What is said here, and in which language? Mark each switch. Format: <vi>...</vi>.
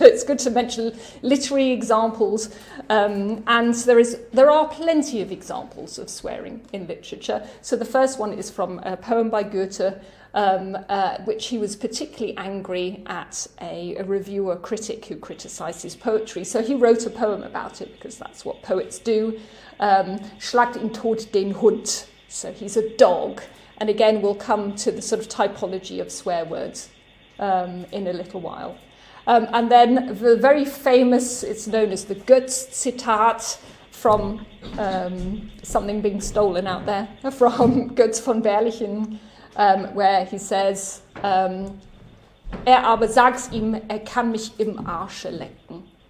<en>It's good to mention literary examples. And there are plenty of examples of swearing in literature. So the first one is from a poem by Goethe, which he was particularly angry at a reviewer critic who criticised his poetry. So he wrote a poem about it, because that's what poets do.</en> <de>Schlagt ihn tot den Hund.</de> <en>So he's a dog. And again, we'll come to the sort of typology of swear words in a little while. And then the very famous, it's known as the Goetz-Zitat from something being stolen out there, from Goetz von Berlichingen, where he says,</en> <de>"Er aber sag's ihm, er kann mich im Arsche lecken."</de>